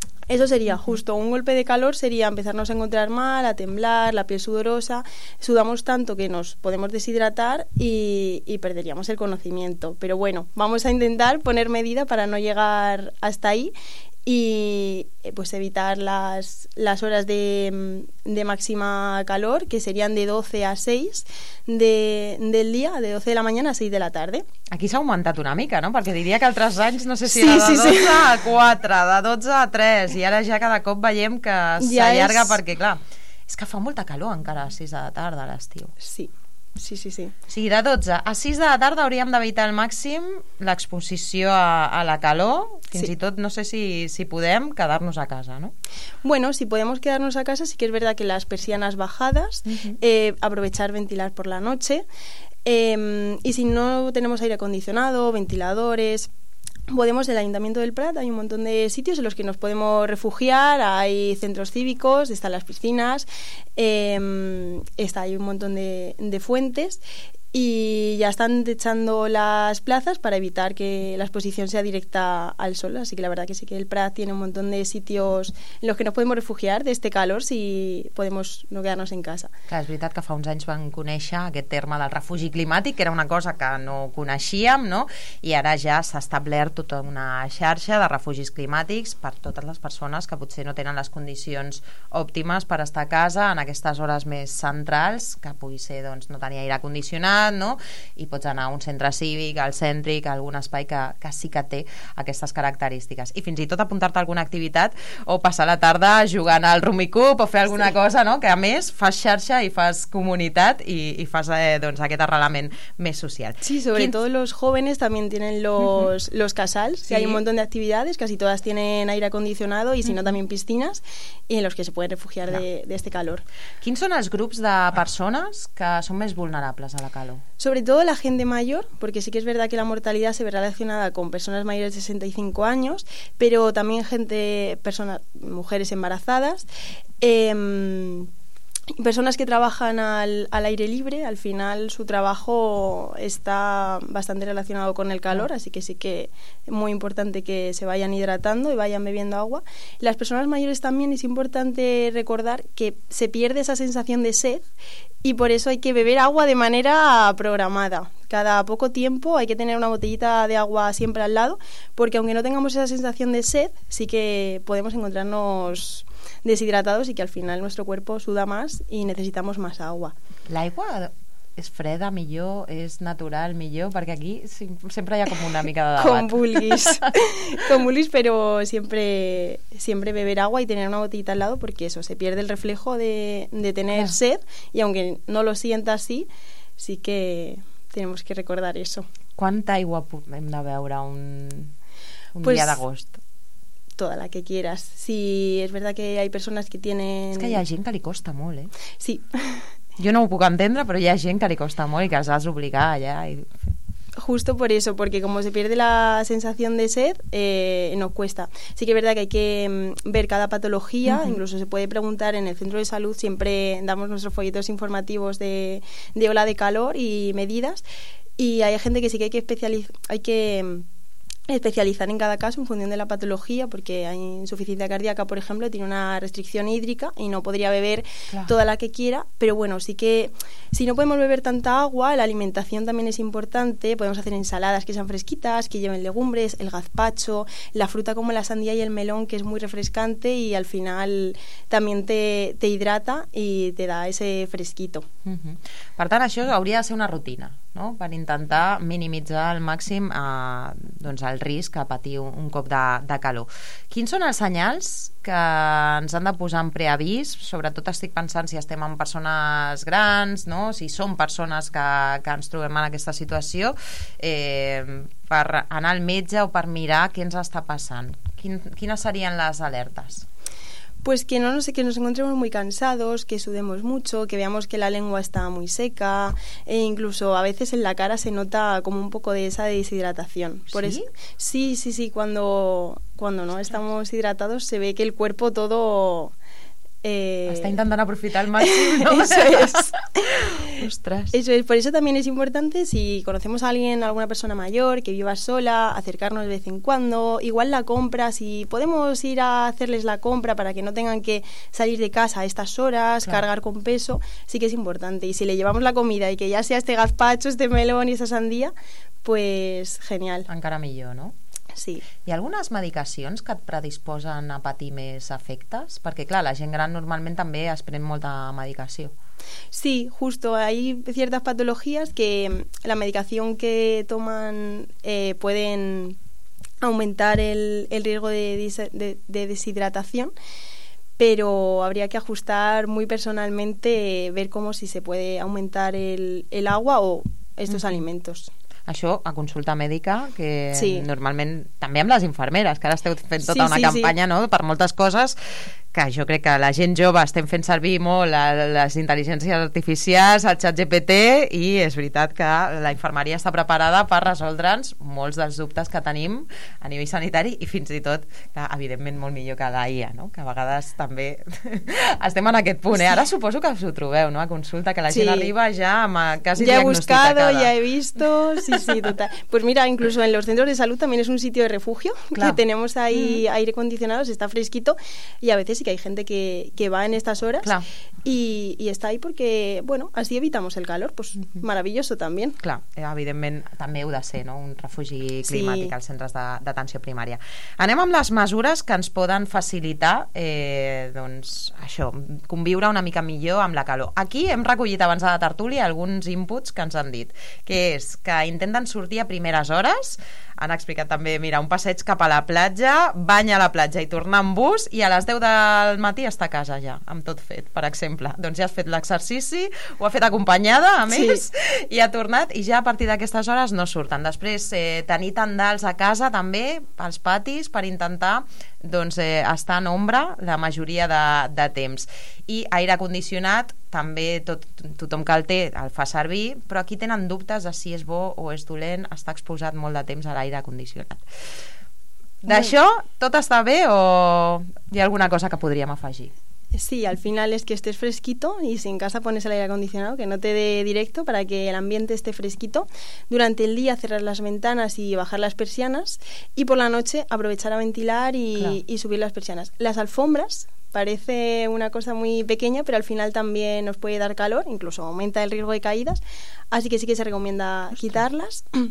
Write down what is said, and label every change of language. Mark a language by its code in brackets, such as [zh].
[es] Eso sería justo, un golpe de calor sería empezarnos a encontrar mal, a temblar, la piel sudorosa, sudamos tanto que nos podemos deshidratar y perderíamos el conocimiento. Pero bueno, vamos a intentar poner medida para no llegar hasta ahí y pues evitar las horas de máxima calor, que serían de 12 a 6 del día, de 12 de la mañana a 6 de la tarde. [ca] Aquí s'ha augmentat una mica, no? Perquè diria que altres anys no sé si era de 12 a 4, de 12 a 3, i ara ja cada cop veiem que s'allarga, perquè clar, és que fa molta calor encara a 6 de la tarda a l'estiu. Sí, Sí, sí, sí. Sí, de 12 a 6 de la tarda hauríem d'evitar al màxim l'exposició a la calor. Fins sí. i tot, no sé si podem quedar-nos a casa, no? [es] Bueno, si podemos quedarnos a casa, sí que es verdad que las persianas bajadas, uh-huh. Aprovechar ventilar por la noche. Y si no tenemos aire acondicionado, ventiladores... Podemos, el Ayuntamiento del Prat, hay un montón de sitios en los que nos podemos refugiar, hay centros cívicos, están las piscinas, hay un montón de fuentes y ya están techando las plazas para evitar que la exposición sea directa al sol, así que la verdad que sí que el Prat tiene un montón de sitios en los que nos podemos refugiar de este calor si podemos no quedarnos en casa. [ca] Clar, és veritat que fa uns anys vam conèixer aquest terme del refugi climàtic, que era una cosa que no coneixíem, no? I ara ja s'ha establert tota una xarxa de refugis climàtics per totes les persones que potser no tenen les condicions òptimes per estar a casa en aquestes hores més centrals, que pugui ser doncs, no tenir aire condicionat, no? I pots anar a un centre cívic, al cèntric, a algun espai que sí que té aquestes característiques. I fins i tot apuntar-te a alguna activitat o passar la tarda jugant al rummikub o fer alguna sí. cosa, no? Que a més fas xarxa i fas comunitat i fas doncs, aquest arrelament més social. [es] Sí, sobretot los jóvenes también tienen los casals, sí. que hay un montón de actividades, casi todas tienen aire acondicionado y si no también piscinas y en los que se pueden refugiar no. de este calor. [ca] Quins són els grups de persones que són més vulnerables a la calor? [es] Sobre todo la gente mayor, porque sí que es verdad que la mortalidad se ve relacionada con personas mayores de 65 años, pero también mujeres embarazadas, personas que trabajan al aire libre, al final su trabajo está bastante relacionado con el calor, así que sí que es muy importante que se vayan hidratando y vayan bebiendo agua. Las personas mayores también es importante recordar que se pierde esa sensación de sed y por eso hay que beber agua de manera programada. Cada poco tiempo hay que tener una botellita de agua siempre al lado, porque aunque no tengamos esa sensación de sed, sí que podemos encontrarnos deshidratados y que al final nuestro cuerpo suda más y necesitamos más agua. [ca] L'aigua és freda millor, és natural millor, perquè aquí sempre hi ha com una mica de debat. Com vulguis, però sempre [es] beber agua y tener una botellita al lado, porque eso, se pierde el reflejo de tener sed, y aunque no lo sienta así, sí que tenemos que recordar eso. ¿Cuánta [ca] aigua hem de beure un dia d'agost? [es] Toda la que quieras. Sí, es verdad que hay personas que tienen... [ca] Es que hi ha gent que li costa molt, ¿eh? Sí. Jo no ho puc entendre, però hi ha gent que li costa molt i que els has d'obligar allà. [es] Justo por eso, porque como se pierde la sensación de sed, nos cuesta. Sí que es verdad que hay que ver cada patología, uh-huh. incluso se puede preguntar en el centro de salud, siempre damos nuestros folletos informativos de ola de calor y medidas, y hay gente que sí que hay que especializar en cada caso en función de la patología, porque hay insuficiencia cardíaca, por ejemplo, tiene una restricción hídrica y no podría beber claro. toda la que quiera, pero bueno, sí que si no podemos beber tanta agua, la alimentación también es importante, podemos hacer ensaladas que sean fresquitas, que lleven legumbres, el gazpacho, la fruta como la sandía y el melón, que es muy refrescante y al final también te hidrata y te da ese fresquito. Uh-huh. [ca] Per tant, això hauria de ser una rutina, no? Per intentar minimitzar al màxim el risc de patir un cop de calor. Quins són els senyals que ens han de posar en preavís? Sobretot estic pensant si estem amb persones grans, no? Si som persones que ens trobem en aquesta situació, per anar al metge o per mirar què ens està passant. Quines serien les alertes? [es] Pues que que nos encontremos muy cansados, que sudemos mucho, que veamos que la lengua está muy seca, e incluso a veces en la cara se nota como un poco de esa deshidratación. Por ¿sí? Sí, cuando no estamos hidratados se ve que el cuerpo todo... Está intentando aprovechar el máximo, ¿no? Eso es. Ostras. Eso es. Por eso también es importante, si conocemos a alguien, alguna persona mayor que viva sola, acercarnos de vez en cuando. Igual la compra, si podemos ir a hacerles la compra para que no tengan que salir de casa a estas horas, claro. cargar con peso, sí que es importante. Y si le llevamos la comida y que ya sea este gazpacho, este melón y esta sandía, pues genial. [ca] Encara millor, ¿no? Sí. Hi ha algunes medicacions que et predisposen a patir més efectes? Perquè, clar, la gent gran normalment també es pren molta medicació. [es] Sí, justo. Hay ciertas patologías que la medicación que toman pueden aumentar el riesgo de deshidratación. pero habría que ajustar muy personalmente, ver cómo si se puede aumentar el agua o estos alimentos. [ca] Això a consulta mèdica, que sí. Normalment també amb les infermeres, que ara esteu fent tota una campanya. No? Per moltes coses, que jo crec que la gent jove estem fent servir molt les intel·ligències artificials, el ChatGPT, i és veritat que la infermeria està preparada per resoldre'ns molts dels dubtes que tenim a nivell sanitari i fins i tot, clar, evidentment, molt millor que la IA, no? Que a vegades també estem en aquest punt. Sí. Ara suposo que us ho trobeu, no? A consulta, que la gent arriba ja amb quasi diagnosticada. [es] Ya he buscado, ya he visto, sí, total. Pues mira, incluso en los centros de salud también es un sitio de refugio, claro. Que tenemos ahí aire acondicionado, está fresquito, y a veces y que hay gente que va en estas horas, claro. y está ahí porque, bueno, así evitamos el calor, pues maravilloso también. [ca] Clar, evidentment també heu de ser, no?, un refugi climàtic als centres d'atenció primària. Anem amb les mesures que ens poden facilitar doncs, això, conviure una mica millor amb la calor. Aquí hem recollit abans de la tertúlia alguns inputs que ens han dit, que és que intenten sortir a primeres hores. Han explicat també, mira, un passeig cap a la platja, bany a la platja i tornar amb bus, i a les 10 del matí està a casa ja, amb tot fet, per exemple. Doncs ja has fet l'exercici, ho ha fet acompanyada, a més, i ha tornat, i ja a partir d'aquestes hores no surten. Després, tenir tendals a casa també, als patis, per intentar doncs, estar en ombra la majoria de temps. I aire condicionat, també tothom que el té el fa servir, però aquí tenen dubtes de si és bo o és dolent estar exposat molt de temps a l'aire condicionat. D'això, tot està bé o hi ha alguna cosa que podríem afegir? [es] Sí, al final es que estés fresquito y si en casa pones el aire acondicionado, que no te dé directo para que el ambiente esté fresquito. Durante el día cerrar las ventanas y bajar las persianas y por la noche aprovechar a ventilar y subir las persianas. Las alfombras parece una cosa muy pequeña, pero al final también nos puede dar calor, incluso aumenta el riesgo de caídas, así que sí que se recomienda quitarlas.